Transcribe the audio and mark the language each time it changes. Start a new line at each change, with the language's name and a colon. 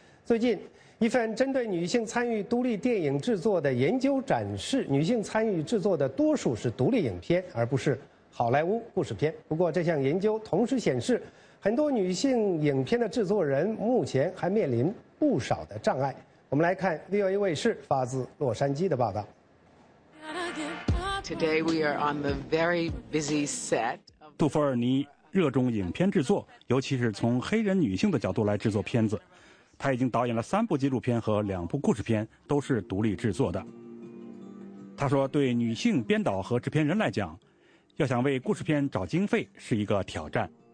Chinese: 最近一份针对女性参与独立电影制作的研究展示，女性参与制作的多数是独立影片，而不是好莱坞故事片。不过这项研究同时显示，很多女性影片的制作人目前还面临不少的障碍。我们来看 VOA 卫视发自洛杉矶的报道。
English: Today we are on the very busy set.
Chinese: 杜弗尔尼热衷影片制作，尤其是从黑人女性的角度来制作片子。他已经导演了3部纪录片和2部故事片，都是独立制作的。他说，对女性编导和制片人来讲，要想为故事片找经费是一个挑战。